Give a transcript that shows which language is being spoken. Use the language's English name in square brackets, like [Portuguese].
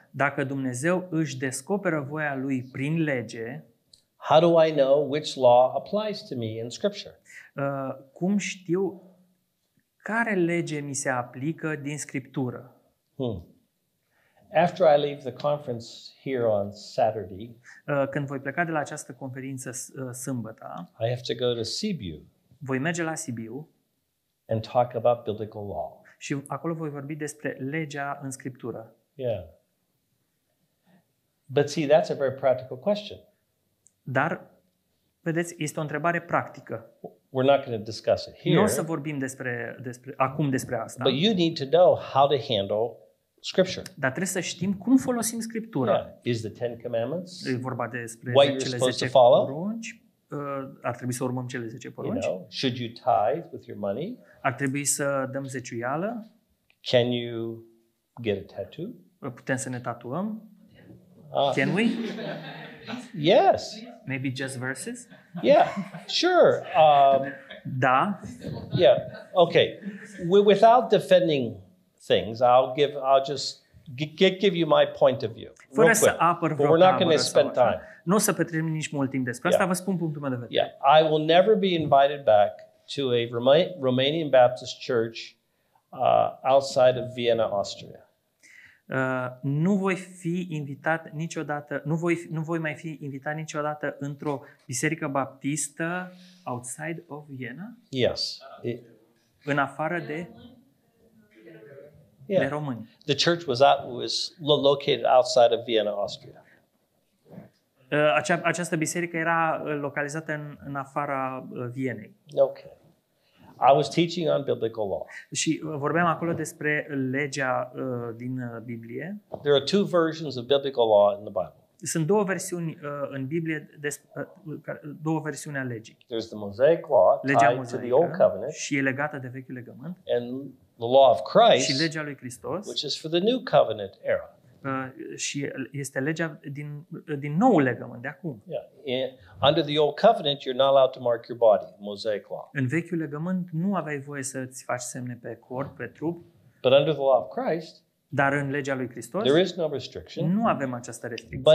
[Romanian] dacă Dumnezeu își descoperă voia lui prin lege, [English] how do I know which law applies to me in Scripture? [Romanian] Cum știu care lege mi se aplică din Scriptură? [English] After I leave the conference here on Saturday, [Romanian] când voi pleca de la această conferință sâmbătă, [English] I have to go to Sibiu. [Romanian] Voi merge la Sibiu [English] and talk about biblical law. [Romanian] Și acolo voi vorbi despre legea în Scriptură. [English] Yeah. But see, that's a very practical question. [Romanian] Dar vedeți, este o întrebare practică. [English] We're not going to discuss it here. [Romanian] Nu o să vorbim despre acum despre asta. [English] But you need to know how to handle Scripture. [Romanian] Dar trebuie să știm cum folosim Scriptura. [English] Yeah. Is the Ten Commandments? [Romanian] E vorba despre cele 10 porunci. Ar trebui să urmăm cele 10 porunci? [English] You know, should you tithe with your money? [Romanian] Ar trebui să dăm zeciuială? [English] Can you get a tattoo? [Romanian] Putem să ne tatuăm? [English] Can we? Yes. Maybe just verses? Yeah. Sure. [Romanian] Da. [English] Yeah. Okay. Without defending things, I'll just give you my point of view. [Romanian] Fără să apăr vreo [English] But we're not going to spend time. [Romanian] Nu o să petrecem nici mult timp despre asta, vă spun punctul meu de vedere. [English] Yeah. I will never be invited back to a Romanian Baptist church outside of Vienna, Austria. [Romanian] Nu voi fi invitat niciodată, nu voi mai fi invitat niciodată într-o biserică baptistă [English] outside of Vienna? Yes. [Romanian] În afară de de români. [English] The church was located outside of Vienna, Austria. [Romanian] Această biserică era localizată în afara Vienei. [English] Okay. I was teaching on biblical law. [Romanian] Și vorbeam acolo despre legea din Biblie. [English] There are two versions of biblical law in the Bible. [Romanian] Sunt două versiuni în Biblie două versiuni a legii. [English] There's the Mosaic law, [Romanian] legea [English] tied to the Old Covenant. [Romanian] Și e legată de vechiul legământ. [English] And the law of Christ. [Romanian] Și legea lui Hristos. [English] Which is for the New Covenant era. [Romanian] Și este legea din noul legământ de acum. [English] Yeah. Under the old covenant you're not allowed to mark your body, Mosaic law. [Romanian] În vechiul legământ nu aveai voie să îți faci semne pe corp, pe trup. [English] But under the law of Christ, [Romanian] dar în legea lui Hristos, [English] there is no restriction. [Romanian] Nu avem această restricție.